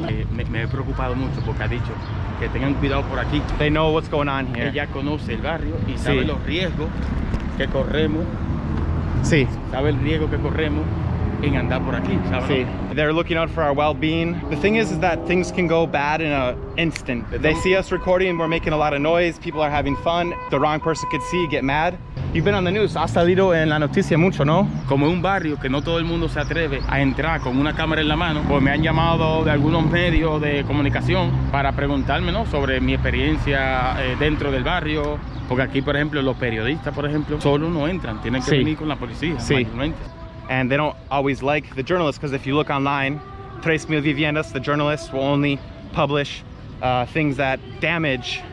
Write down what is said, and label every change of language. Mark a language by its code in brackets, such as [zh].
[es] Me he preocupado mucho porque ha dicho que tengan cuidado por aquí. [en] They know what's going on here. [es] Ella conoce el barrio y sabe los riesgos que corremos. Sí. Sabe el riesgo que corremos en andar por aquí. [en] Sí. They're looking out for our well-being. The thing is that things can go bad in an instant. They see us recording, we're making a lot of noise, people are having fun. The wrong person could see, get mad. You've been on the news. [es] Has salido en la noticia mucho, ¿no? Como un barrio que no todo el mundo se atreve a entrar con una cámara en la mano, pues me han llamado de algunos medios de comunicación para preguntarme, ¿no?, sobre mi experiencia dentro del barrio. Porque aquí, por ejemplo, los periodistas, por ejemplo, solo no entran. Tienen que venir con la policía, mayormente. [en] And they don't always like the journalists, because if you look online, 3000 Viviendas, the journalists will only publish things that damage.